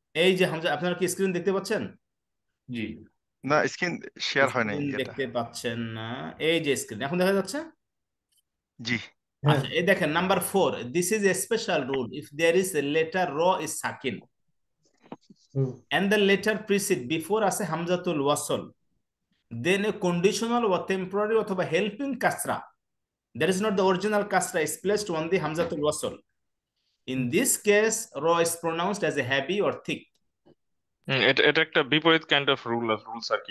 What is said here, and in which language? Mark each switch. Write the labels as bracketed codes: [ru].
[bn] এই যে হামজা, আপনারা কি স্ক্রিন দেখতে পাচ্ছেন? জি না স্ক্রিন শেয়ার হয় নাই স্ক্রিন এটা। দেখতে পাচ্ছেন না, এই যে স্ক্রিন এখন দেখা যাচ্ছে। জি হ্যাঁ আচ্ছা এই দেখেন, number 4, [en] this is a special rule if there is a letter র is সাকিন hmm and the letter precede before [bn] আছে [en] হামজাতুল ওয়াসল, then a conditional or temporary [bn] অথবা [en] helping কাসরা, that is not the original কাসরা, is placed on the হামজাতুল ওয়াসল, in this case ro is pronounced as a heavy or thick। [bn] এটা এটা একটা বিপরীত [en] kind of rule [bn] আর rules আর কি।